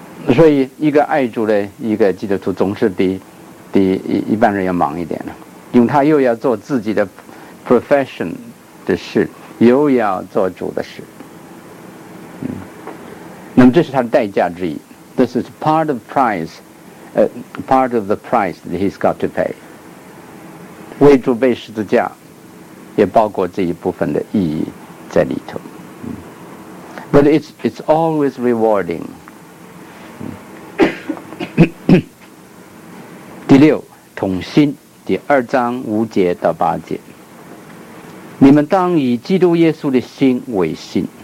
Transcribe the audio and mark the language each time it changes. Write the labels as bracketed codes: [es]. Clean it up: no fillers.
[zh] 所以一个爱主的一个基督徒总是比一般人要忙一点的，因为他又要做自己的 profession 的事，又要做主的事。那么这是他的代价之一。 [en] This is part of price、part of the price that he's got to pay。 [zh] 为主背十字架也包括这一部分的意义在里头。 [en] But it's always rewarding。 [zh] 第六，同心。第二章五节到八节，你们当以基督耶稣的心为心。